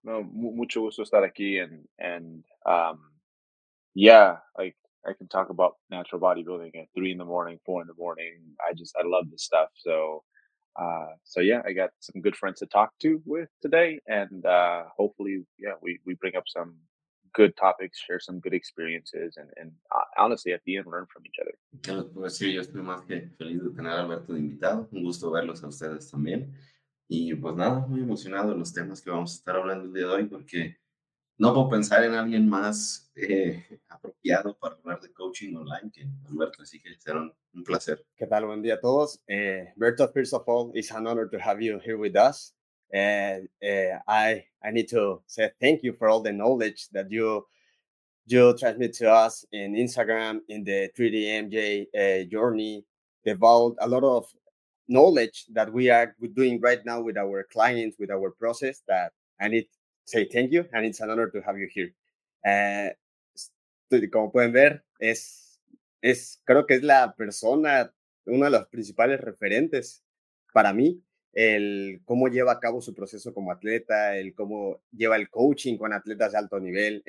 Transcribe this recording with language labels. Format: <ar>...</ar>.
<es>Mucho gusto estar aquí,</es> <en>and I can talk about natural bodybuilding at 3 a.m, 4 a.m. I love this stuff. So I got some good friends to talk to with today, and hopefully we bring up some good topics, share some good experiences, and honestly, at the end, learn from each other.</en> <es>¿Qué les puedo decir? Yo estoy más que feliz de tener a Alberto de invitado. Un gusto verlos a ustedes también. Y pues nada, muy emocionado de los temas que vamos a estar hablando el día de hoy, porque no puedo pensar en alguien más apropiado para hablar de coaching online que Alberto. Así que será un placer. ¿Qué tal? Buen día a todos.</es> <en>Berto, first of all, it's an honor to have you here with us. And I need to say thank you for all the knowledge that you transmit to us in Instagram, in the 3D MJ journey, about a lot of knowledge that we are doing right now with our clients, with our process, that I need to say thank you, and it's an honor to have you here.</en> <es>Como pueden ver, es creo que es la persona, uno de los principales referentes para mí, el cómo lleva a cabo su proceso como atleta, el cómo lleva el coaching con atletas de alto nivel.</es>